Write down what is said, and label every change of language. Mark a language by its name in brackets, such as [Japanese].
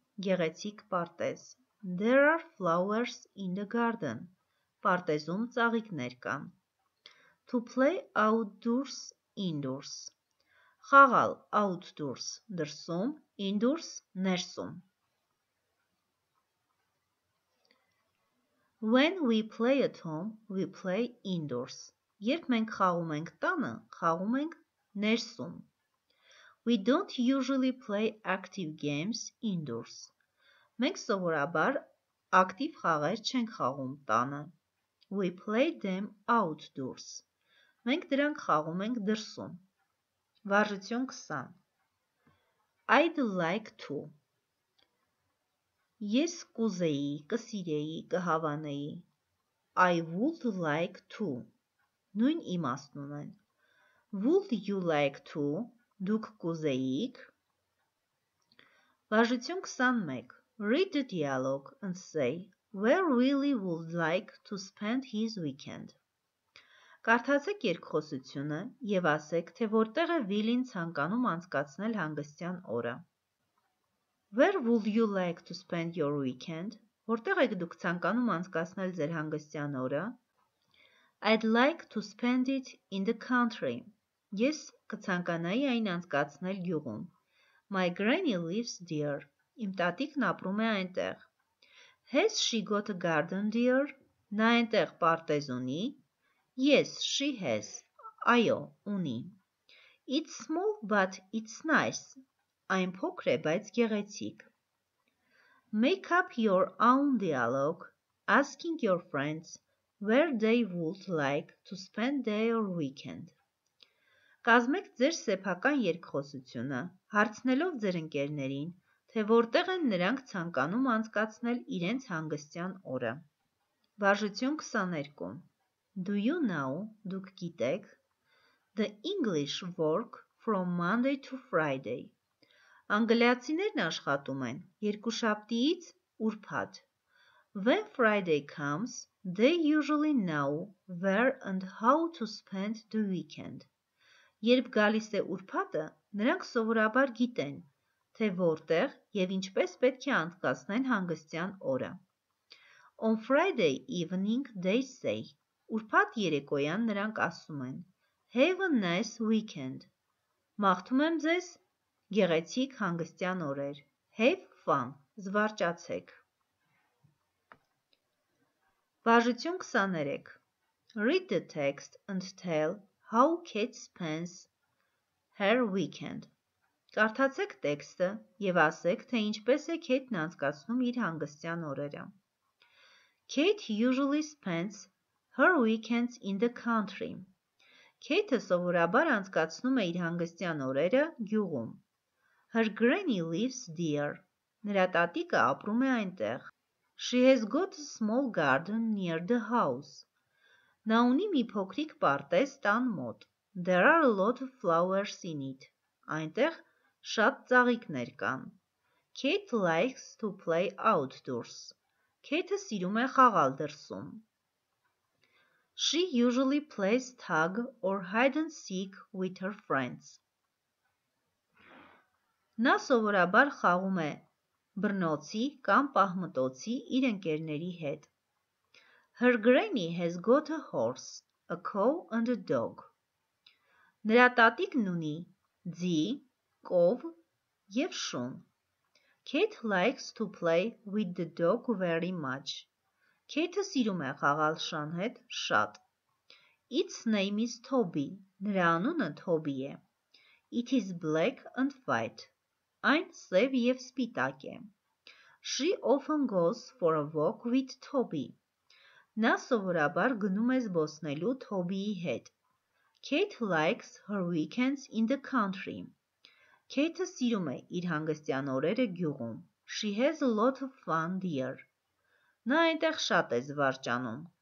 [Armenian] Գեղեցիկ պարտեզ. [English] There are flowers in the garden. [Armenian] Պարտեզում ծաղիկներ կան. [English] To play outdoors, indoors. [Armenian] Խաղալ outdoors, դրսում, indoors, ներսում. [English] When we play at home, we play indoors. [Armenian] Երբ մենք խաղում ենք տանը, խաղում ենք ներսում. [English] We don't usually play active games indoors. [Armenian] Մենք սովորաբար ակտիվ խաղեր չենք խաղում տանը. [English] We play them outdoors. [Armenian] Մենք դրանք խաղում ենք դրսում. Վարժություն 20. [English] I'd like to. [Armenian] Ես կուզեի, կսիրեի, կհավանեի. [English] I would like to. [Armenian] Նույն իմաստն ունեն. [English] Would you like to? [Armenian] Դուք կուզեիք? Վարժություն 21. [English] Read the dialogue and say where Willy would like to spend his weekend. [Armenian] Կարդացեք երկխոսությունը և ասեք, թե որտեղ է Willy-ն ցանկանում անցկացնել հանգստյան օրը. [English] Where would you like to spend your weekend? [Armenian] Որտեղ եք դուք ցանկանում անցկացնել ձեր հանգստյան օրը? [English] I'd like to spend it in the country. [Armenian] Ես կցանկանայի այն անցկացնել գյուղում. [English] My granny lives there. [Armenian] Իմ տատիկն ապրում է այնտեղ. [English] Has she got a garden there? [Armenian] Նա այնտեղ պարտեզ ունի? [English] Yes, she has. [Armenian] Айо, уни. [English] It's small, but it's nice. [Armenian] Այն փոքր է, բայց գեղեցիկ. [English] Make up your own dialogue, asking your friends where they would like to spend their weekend. [Armenian] Կազմեք ձեր սեփական երկխոսությունը, հարցնելով ձեր ընկերներին, թե որտեղ են նրանք ցանկանում անցկացնել իրենց հանգստյան օրը. Վարժություն 22. [English] Do you know, [Armenian] դուք գիտեք, [English] the English work from Monday to Friday. [Armenian] Անգլիացիներն աշխատում են երկուշաբթից ուրբաթ. [English] When Friday comes, they usually know where and how to spend the weekend. [Armenian] Երբ գալիս է ուրբաթը, նրանք սովորաբար գիտեն, թե որտեղ և ինչպես պետք է անցկացնեն հանգստյան օրը. [English] On Friday evening, they say, [Armenian] ուրբաթ երեկոյան նրանք ասում են, [English] Have a nice weekend. [Armenian] Մաղթում եմ ձեզ գեղեցիկ հանգստյան օրեր. [English] Have fun. [Armenian] Զվարճացեք. Վարժություն 23. [English] Read the text and tell how Kate spends her weekend. [Armenian] Կարդացեք տեքստը և ասեք, թե ինչպես է Kate-ն անցկացնում իր հանգստյան օրերը. [English] Kate usually spends her weekends in the country. [Armenian] Kate-ը սովորաբար անցկացնում է իր հանգստյան օրերը գյուղում. [English] Her granny lives there. [Armenian] Նրա տատիկը ապրում է այնտեղ. [English] She has got a small garden near the house. [Armenian] Նա ունի մի փոքրիկ պարտեզ տան մոտ. [English] There are a lot of flowers in it. [Armenian] Այնտեղ շատ ծաղիկներ կան. [English] Kate likes to play outdoors. [Armenian] Kate-ը սիրում է խաղալ դրսում. [English] She usually plays tag or hide and seek with her friends. [Armenian] Նա սովորաբար խաղում է բռնոցի կամ պահմտոցի իր ընկերների հետ. [English] Her granny has got a horse, a cow and a dog. [Armenian] Նրա տատիկն ունի ձի, կով և շուն. [English] Kate likes to play with the dog very much. [Armenian] Kate-ը սիրում է խաղալ շան հետ շատ. [English] Its name is Toby. [Armenian] Նրա անունը Toby է. [English] It is black and white. [Armenian] Այն սև և սպիտակ է. [English] She often goes for a walk with Toby. [Armenian] Նա սովորաբար գնում է զբոսնելու Toby-ի հետ. [English] Kate likes her weekends in the country. [Armenian] Kate-ը սիրում է իր հանգստյան օրերը գյուղում. [English] She has a lot of fun there. [Armenian] Նա այնտեղ շատ է զվարճանում.